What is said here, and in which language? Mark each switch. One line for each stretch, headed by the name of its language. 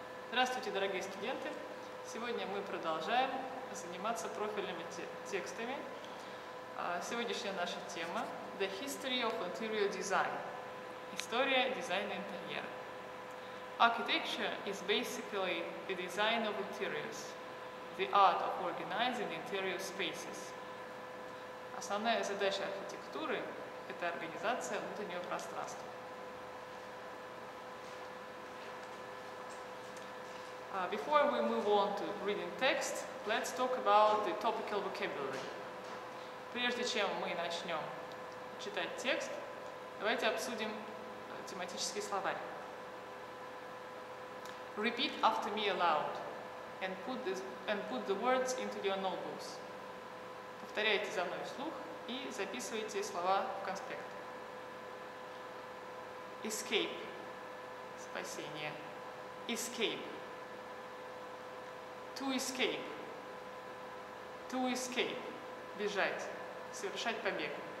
Russian: Здравствуйте, дорогие студенты! Сегодня мы продолжаем заниматься профильными текстами. Сегодняшняя наша тема –
English: The History of Interior Design.
Russian: История дизайна интерьера.
English: Architecture is basically the design of interiors, the art of organizing interior spaces.
Russian: Основная задача архитектуры – это организация внутреннего пространства.
English: Before we move on to reading text, let's talk about the topical vocabulary.
Russian: Прежде чем мы начнем читать текст, давайте обсудим тематический словарь.
English: Repeat after me aloud and put the words into your notebooks.
Russian: Повторяйте за мной вслух и записывайте слова в конспект.
English: Escape.
Russian: Спасение.
English: Escape. To escape. To escape.
Russian: Бежать. Совершать побег.